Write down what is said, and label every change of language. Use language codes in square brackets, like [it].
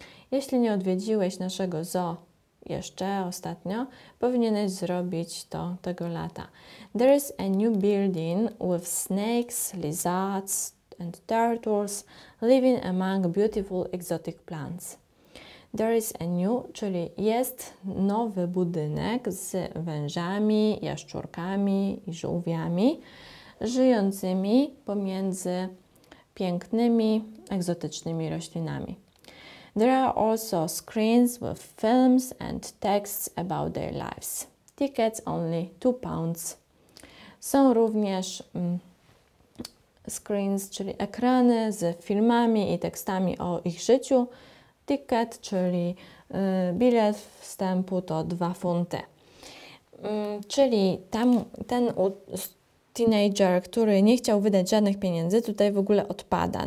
[pl] Jeśli nie odwiedziłeś naszego zoo jeszcze ostatnio, powinieneś zrobić to tego lata. [en] There is a new building with snakes, lizards and turtles living among beautiful exotic plants. There is a new, [pl] czyli jest nowy budynek z wężami, jaszczurkami i żółwiami żyjącymi pomiędzy pięknymi, egzotycznymi roślinami. [en] There are also screens with films and texts about their lives. Tickets only £2. [pl] Są również screens, czyli ekrany z filmami i tekstami o ich życiu. Ticket, czyli bilet wstępu, to 2 funty. Czyli ten teenager, który nie chciał wydać żadnych pieniędzy, tutaj w ogóle odpada.